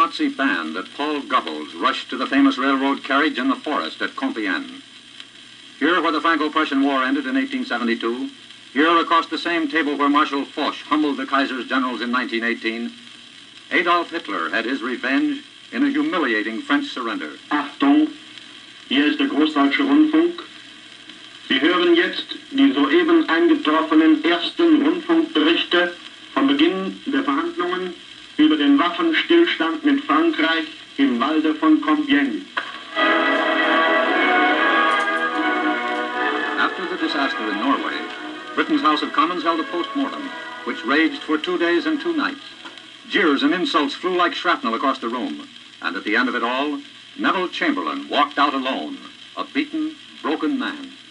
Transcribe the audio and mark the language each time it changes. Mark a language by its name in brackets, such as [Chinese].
[English] Nazi band that Paul Goebbels rushed to the famous railroad carriage in the forest at Compiègne. Here, where the Franco-Prussian War ended in 1872, here across the same table where Marshal Foch humbled the Kaiser's generals in 1918, Adolf Hitler had his revenge in a humiliating French surrender. [German] Achtung, hier ist der Großdeutsche Rundfunk. Sie hören jetzt die soeben eingetroffenen ersten Rundfunkberichte vom Beginn der Verhandlungen über den Waffenstillstand mit Frankreich im Walde von Compiègne. [English] After the disaster in Norway, Britain's House of Commons held a post-mortem, which raged for 2 days and two nights. Jeers and insults flew like shrapnel across the room, and at the end of it all, Neville Chamberlain walked out alone, a beaten, broken man.